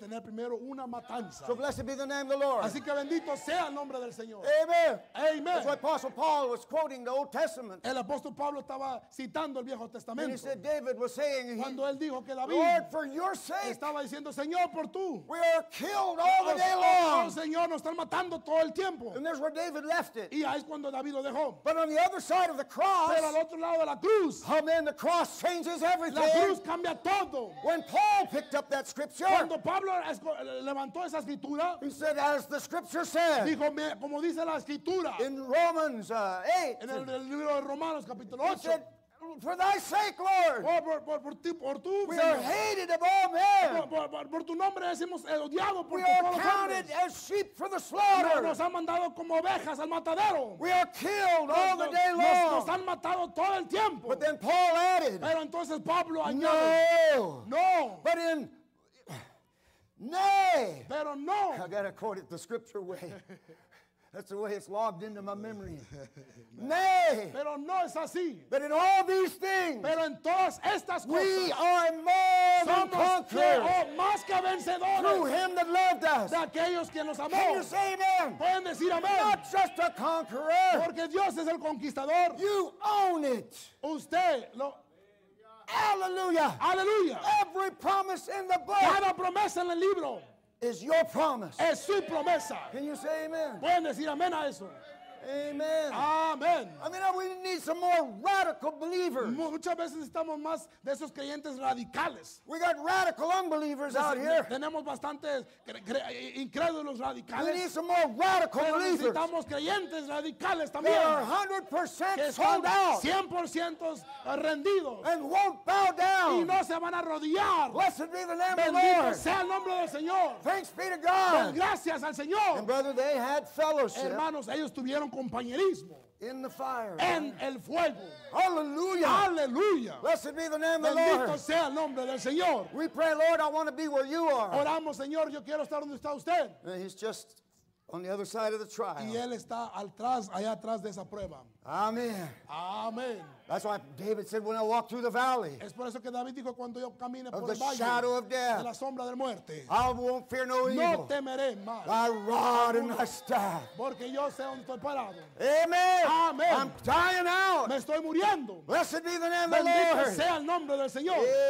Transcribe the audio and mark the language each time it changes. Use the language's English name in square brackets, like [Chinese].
[Spanish] Que tener primero una matanza. [English] So blessed be the name of the Lord. [Spanish] Así que bendito sea el nombre del Señor. [English] Amen. [Spanish] Amen. [English] That's why Apostle Paul was quoting the Old Testament. [Spanish] El apóstol Pablo estaba citando el Viejo Testamento. [English] And he said David was saying, [Spanish] cuando él dijo que David, [English] Lord, for your sake, [Spanish] estaba diciendo Señor por tú, [English] we are killed all the day long. [Spanish] Señor nos están matando todo el tiempo. [English] And there's where David left it. [Spanish] Y ahí es cuando David lo dejó. [English] But on the other side of the cross. [Spanish] Pero al otro lado de la cruz. [English] Oh man, the cross changes everything. [Spanish] La cruz cambia todo. [English] When Paul picked up that scripture. [Spanish] Cuando Pablo levantó esa escritura. [English] He said, as the scripture said. [Spanish] Dijo, como dice la escritura. [English] In Romans 8. [Spanish] En el libro de Romanos capítulo 8. [English] He said, for thy sake, Lord. [Spanish] Oh, por ti, por tu, [English] we are hated of all men. [Spanish] Por tu nombre decimos el odiado por [English] we are counted [Spanish] hombres. [English] As sheep for the slaughter. [Spanish] Nos han mandado como ovejas al matadero. [English] We are killed all the day long. [Spanish] Nos han matado todo el tiempo. [English] But then Paul added. [Spanish] Pero entonces Pablo añade. [English] No. [Spanish] No. [English] But in nay. [Spanish] Pero no. [English] I gotta quote it the scripture way. That's the way it's logged into my memory. Nay. [Spanish] Pero no es así. [English] But in all these things. [Spanish] Pero en todas estas cosas. [English] We are more than conquerors. [Spanish] Más que vencedores. [English] Through him that loved us. [Spanish] De aquellos que nos amó. [English] Can you say amen? [Spanish] Pueden decir amén. [English] Not just a conqueror. [Spanish] Porque Dios es el conquistador. [English] You own it. [Spanish] Usted lo. [English] Hallelujah. [Spanish] Hallelujah. [English] Every promise in the book. [Spanish] Cada promesa en el libro. [English] Is your promise. [Spanish] Es su promesa. [English] Can you say amen? [Spanish] ¿Pueden decir amén a eso? [English] Amen. [Spanish] Amen. [English] I mean, we need some more radical believers. [Spanish] Muchas veces necesitamos más de esos creyentes radicales. [English] We got radical unbelievers out here. [Spanish] Tenemos bastantes incrédulos radicales. [English] We need some more radical believers. [Spanish] Necesitamos creyentes radicales también. [English] They are 100% sold out. [Spanish] 100% rendidos. [English] And won't bow down. [Spanish] Y no se van a arrodillar. [English] Blessed be the name [Spanish] bendito [English] of the Lord. [Spanish] Bendito sea el nombre del Señor. [English] Thanks be to God. [Spanish] Den gracias al Señor. [English] And brother, they had fellowship. [Spanish] Hermanos, ellos tuvieron compañerismo [English] in the fire, [Spanish] en el fuego. [English] Hallelujah. [Spanish] Hallelujah. [English] Blessed be the name [Spanish] bendito [English] of the Lord. [Spanish] Bendito sea el nombre del Señor. [English] We pray, Lord, I want to be where you are. [Spanish] Oramos, Señor, yo quiero estar donde está usted. [English] And he's just on the other side of the trial. [Spanish] Y él está atrás, allá atrás de esa prueba. [English] Amen. [Spanish] Amen. [English] That's why David said, when I walk through the valley [Spanish] es por eso que David dijo, cuando yo camine [English] of [Spanish] por [English] the [Spanish] el valle, [English] shadow of death, [Spanish] de la sombra de muerte, [English] I won't fear no, [Spanish] no [English] evil. [Spanish] No temeré mal. [English] My rod and my staff. [Spanish] Porque yo sé donde estoy parado. [English] Amen. [Spanish] Amen. [English] I'm dying out. [Spanish] Me estoy muriendo. [English] Blessed be the name [Spanish] bendito [English] of the Lord. [Spanish] Bendito sea el nombre del Señor.